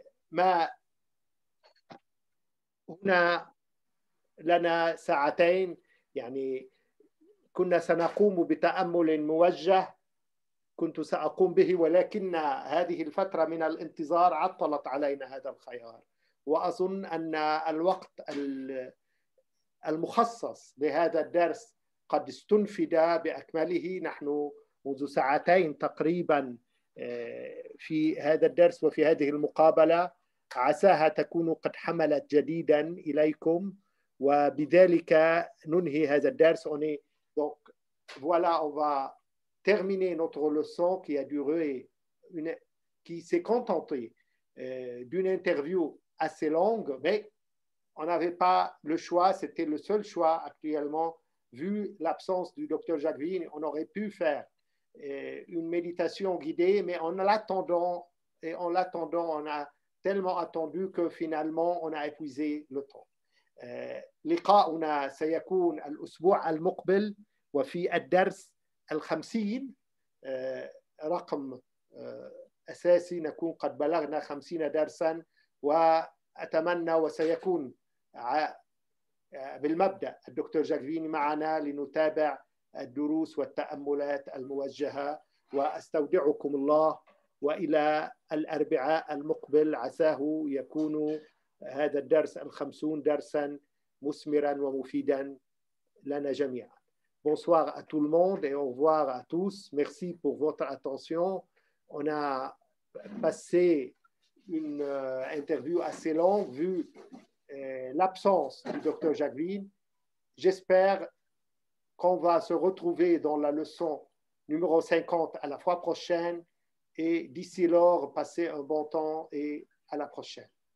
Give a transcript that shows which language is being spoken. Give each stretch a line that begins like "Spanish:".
Arabic: ما هنا لنا ساعتين يعني كنا سنقوم بتأمل موجه كنت سأقوم به، ولكن هذه الفترة من الانتظار عطلت علينا هذا الخيار، وأظن أن الوقت المخصص لهذا الدرس قد استنفد بأكمله. نحن منذ ساعتين تقريبا في هذا الدرس وفي هذه المقابلة، عساها تكون قد حملت جديدا إليكم، وبذلك ننهي هذا الدرس.
French: Donc voilà, on va terminer notre leçon qui a duré, qui s'est contentée d'une interview assez longue, mais on n'avait pas le choix, c'était le seul choix actuellement, vu l'absence du docteur Jacques Vigne. On aurait pu faire une méditation guidée, mais en l'attendant, on a tellement attendu que finalement, on a épuisé le temps.
Arabic: لقاؤنا سيكون الأسبوع المقبل وفي الدرس 50 رقم أساسي، نكون قد بلغنا 50 درسا، وأتمنى وسيكون بالمبدأ الدكتور جاك فيني معنا لنتابع الدروس والتأملات الموجهة. وأستودعكم الله، وإلى الأربعاء المقبل عساه يكون هذا الدرس 50 درسا مثمرا ومفيدا لنا جميعا.
French: Bonsoir à tout le monde et au revoir à tous. Merci pour votre attention. On a passé une interview assez longue vu l'absence du docteur Jacqueline. J'espère qu'on va se retrouver dans la leçon numéro 50 à la fois prochaine, et d'ici lors, passez un bon temps et à la prochaine.